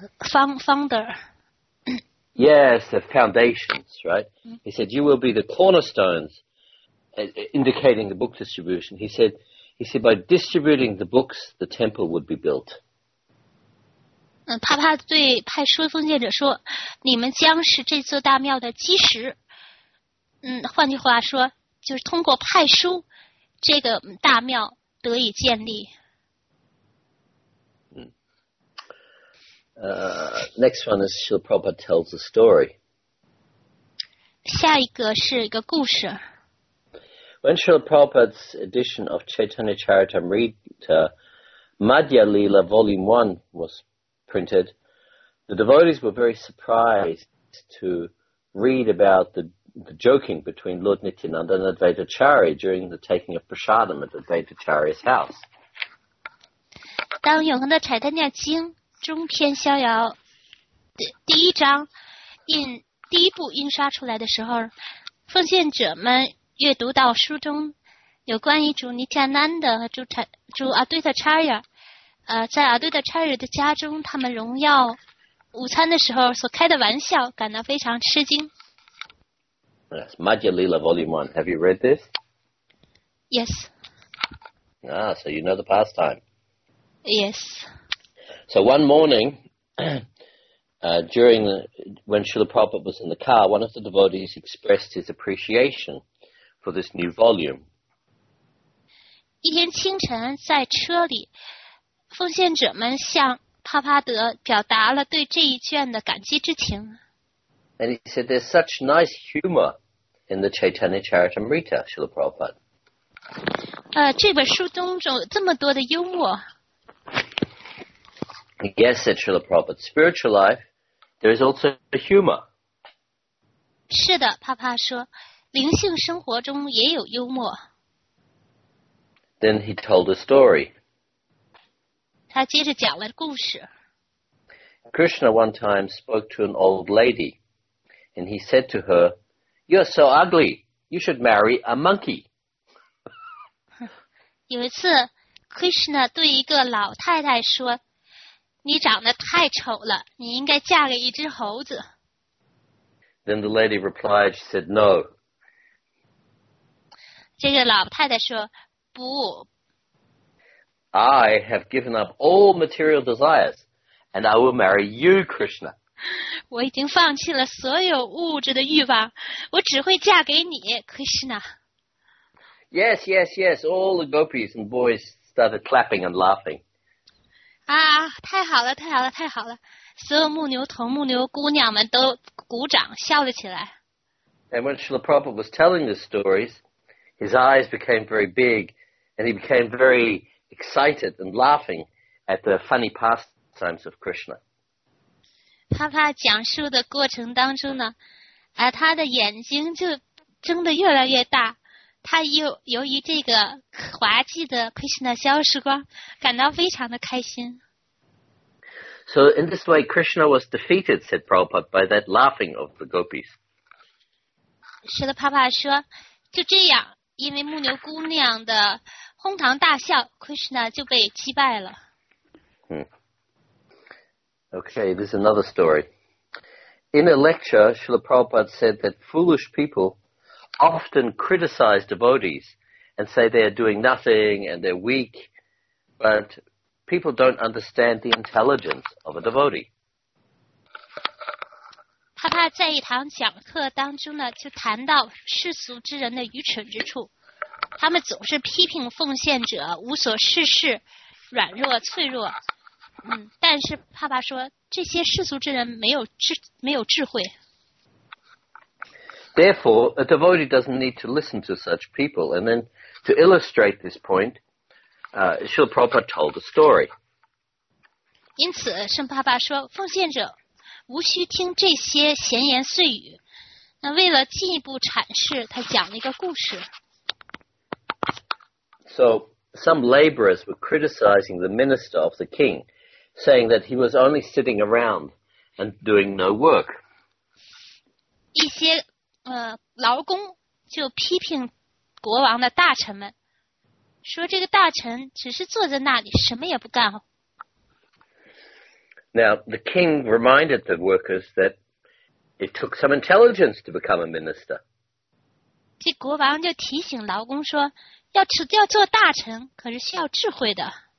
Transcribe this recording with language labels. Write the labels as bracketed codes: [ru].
[en] Founder. Yes, the foundations, right? He said, "You will be the cornerstones," indicating the book distribution. He said, "By distributing the books, the temple would be built." [zh] 帕帕对派书奉献者说：“你们将是这座大庙的基石。” 换句话说，就是通过派书，这个大庙得以建立。 [en] Next one is Srila Prabhupada tells a story. [zh] 下一个是一个故事。 [en] When Srila Prabhupada's edition of Chaitanya Charitamrita Madhya Lila Volume 1 was printed, the devotees were very surprised to read about the joking between Lord Nityananda and Advaitacharya during the taking of prasadam at Advaitacharya's house. [zh] 当永恒的柴达尼亚经中篇逍遥第一章第一部印刷出来的时候，奉献者们阅读到书中有关于主尼提安南的主阿杜塔查亚。在阿杜塔查尔的家中，他们荣耀午餐的时候所开的玩笑，感到非常吃惊。 [en] Yes, Madhya Lila Volume 1. Have you read this? Yes. Ah, so you know the pastime. Yes. So one morning, when Srila Prabhupada was in the car, one of the devotees expressed his appreciation for this new volume. [zh] 一天清晨，在车里。奉献者们向帕帕德表达了对这一卷的感激之情。 [en] And he said, "There's such nice humor in the Chaitanya Charitamrita, Srila Prabhupada." [zh] 这本书中有这么多的幽默。 [en] Yes, said Srila Prabhupada, "Spiritual life, there is also humor." [zh] 是的，帕帕说，灵性生活中也有幽默。 [en] Then he told a story. [zh] 他接着讲了故事。 [en] Krishna one time spoke to an old lady, and he said to her, "You're so ugly. You should marry a monkey." [zh] 有一次 ，Krishna 对一个老太太说：“你长得太丑了，你应该嫁给一只猴子。” [en] Then the lady replied, she said, "No." [zh] 这个老太太说：“不。” [en] I have given up all material desires, and I will marry you, Krishna. [zh] 我已经放弃了所有物质的欲望，我只会嫁给你 ，Krishna. [en] Yes, yes, yes. All the gopis and boys started clapping and laughing. [zh] 啊，太好了，太好了，太好了！所有牧牛童、牧牛姑娘们都鼓掌，笑了起来。 [en] And when Srila Prabhupada was telling the stories, his eyes became very big, and he became very excited and laughing at the funny pastimes of Krishna. [zh] 帕帕讲述的过程当中呢，他的眼睛就睁得越来越大。他由于这个滑稽的 Krishna 消失光，感到非常的开心。 [en] So in this way, Krishna was defeated, said Prabhupada, by that laughing of the gopis. [zh] 是的，帕帕说，就这样，因为牧牛姑娘的。哄堂大笑 ，Krishna 就被击败了。 [en] Okay, this is another story. In a lecture, Srila Prabhupada said that foolish people often criticize devotees and say they are doing nothing and they're weak, but people don't understand the intelligence of a devotee. [zh] 他怕在一堂讲课当中呢，就谈到世俗之人的愚蠢之处。他们总是批评奉献者无所事事、软弱、脆弱。但是帕帕说这些世俗之人没有智慧。 [en] Therefore, a devotee doesn't need to listen to such people. And then, to illustrate this point, Srila Prabhupada told a story. [zh] 因此，圣帕帕说，奉献者无需听这些闲言碎语。那为了进一步阐释，他讲了一个故事。 [en] So, some laborers were criticizing the minister of the king, saying that he was only sitting around and doing no work. [zh] 一些劳工就批评国王的大臣们，说这个大臣只是坐在那里，什么也不干。 [en] Now, the king reminded the workers that it took some intelligence to become a minister. [zh] 这国王就提醒劳工说要做大臣可是需要智慧的。